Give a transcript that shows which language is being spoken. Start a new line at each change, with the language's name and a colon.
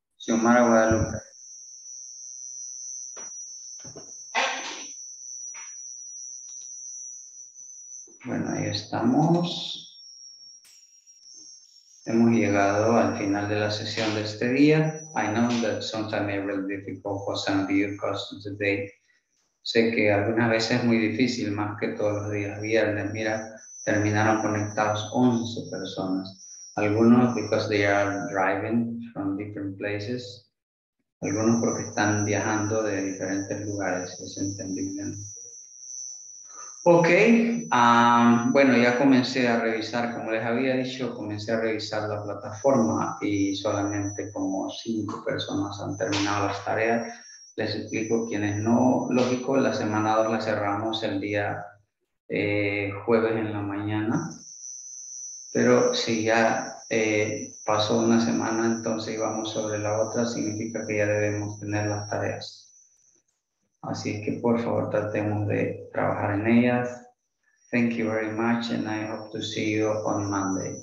Spanish: Xiomara Guadalupe. Bueno, ahí estamos. Hemos llegado al final de la sesión de este día.
English: I know that sometimes it's really difficult for some of you because of the day.
Spanish: Sé que algunas veces es muy difícil, más que todos los días viernes. Mira, terminaron conectados 11 personas.
English: Algunos because they are driving from different places.
Spanish: Algunos porque están viajando de diferentes lugares. Es entendible. Ok, bueno, ya comencé a revisar, como les había dicho, comencé a revisar la plataforma y solamente como 5 personas han terminado las tareas. Les explico quienes no, lógico, la semana 2 la cerramos el día jueves en la mañana, pero si ya pasó una semana, entonces íbamos sobre la otra, significa que ya debemos tener las tareas. Así es que por favor tratemos de trabajar en ellas.
English: Thank you very much and I hope to see you on Monday.